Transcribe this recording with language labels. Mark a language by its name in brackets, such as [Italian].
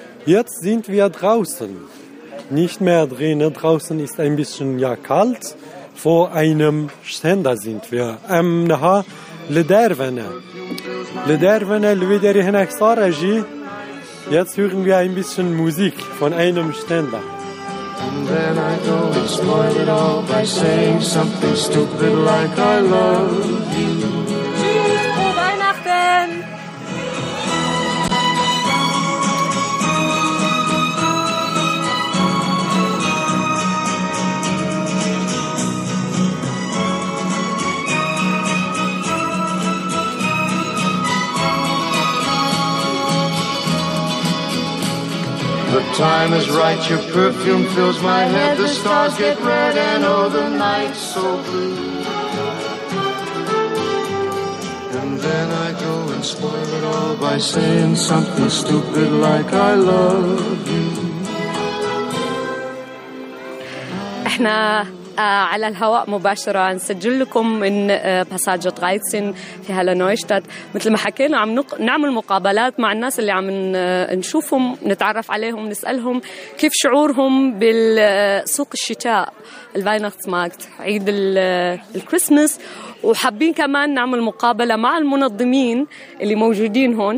[German] Jetzt sind wir draußen, nicht mehr drinnen. Draußen ist ein bisschen ja kalt. Vor einem Ständer sind wir. Naha Ledervene. Ledervene, Lüderi Henek Saraji. Jetzt hören wir ein bisschen Musik von einem Ständer. [English] And then I go and spoil it all by saying something stupid like I love you. [German] Frohe Weihnachten! [English] The time is right, your perfume fills my head. The stars get red and oh, the night's so blue. And then I go and spoil it all by saying something stupid like I love you. [Arabic] على الهواء مباشرة نسجل لكم من باساج 13 في هلا نويشتات. مثل ما حكينا عم نعمل مقابلات مع الناس اللي عم نشوفهم نتعرف عليهم نسألهم كيف شعورهم بالسوق الشتاء الفاينختماركت عيد الكريسماس, وحابين كمان نعمل مقابلة مع المنظمين اللي موجودين هون.